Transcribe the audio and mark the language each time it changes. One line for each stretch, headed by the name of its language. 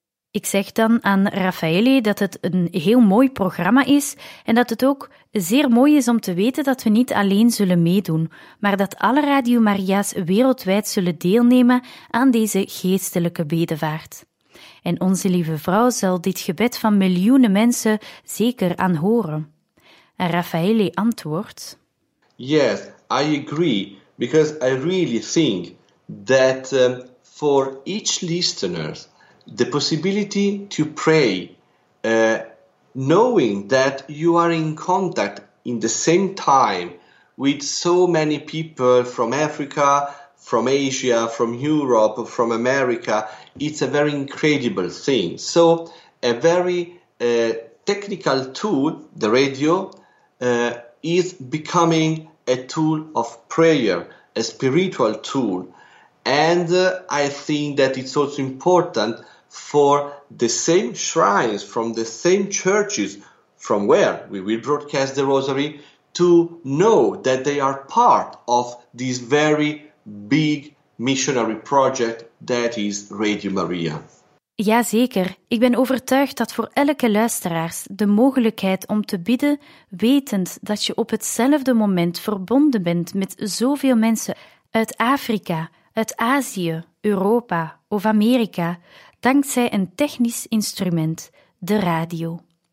Dutch: Ik zeg dan aan Raffaele dat het een heel mooi programma is en dat het ook zeer mooi is om te weten dat we niet alleen zullen meedoen, maar dat alle Radio Maria's wereldwijd zullen deelnemen aan deze geestelijke bedevaart. En onze lieve vrouw zal dit gebed van miljoenen mensen zeker aanhoren. En Raffaele antwoordt:
English: Yes, I agree, because I really think that for each listener, the possibility to pray, knowing that you are in contact in the same time with so many people from Africa, from Asia, from Europe, from America, it's a very incredible thing. So a very technical tool, the radio, is becoming a tool of prayer, a spiritual tool. And I think that it's also important for the same shrines, from the same churches, from where we will broadcast the Rosary, to know that they are part of this very big missionary project that is Radio Maria.
Dutch: Jazeker, ik ben overtuigd dat voor elke luisteraars de mogelijkheid om te bidden, wetend dat je op hetzelfde moment verbonden bent met zoveel mensen uit Afrika, uit Azië, Europa of Amerika, dankzij een technisch instrument, de radio.